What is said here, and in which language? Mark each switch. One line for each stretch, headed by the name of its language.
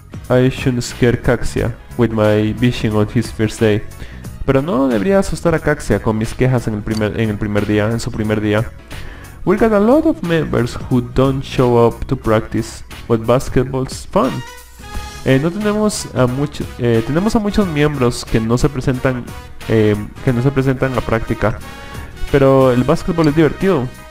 English: I shouldn't scare Caxia with my vision on his first day.
Spanish: Pero no debería asustar a Caxia con mis quejas en su primer día.
English: We got a lot of members who don't show up to practice, but basketball's fun.
Spanish: Tenemos a muchos miembros que no se presentan a práctica, pero el básquetbol es divertido.